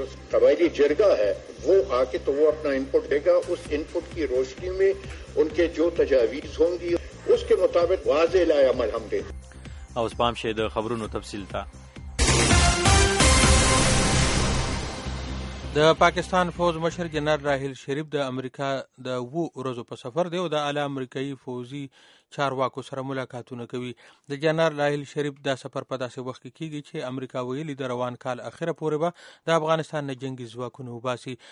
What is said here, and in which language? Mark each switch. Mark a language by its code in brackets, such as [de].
[ur] قبائلی جرگا ہے وہ آ کے تو وہ اپنا انپٹ دے گا. اس انپٹ کی روشنی میں ان کے جو تجاویز ہوں گی اس کے مطابق واضح لائے عمل ہم دیں. [ps] اوس پام شید خبروں تفصیل تھا. د پاکستان فوج مشر جنرال راحیل شریف د امریکا د وو ورځو په سفر دی او د اعلی امریکایي فوجي چارواکو سره ملاقاتونه کوي. د جنرال راحیل شریف دا سفر په داسې وخت کې کیږي چې امریکا ویلي د روان کال اخیره پورې به د افغانستان نه جنگي ځواکونه وباسي.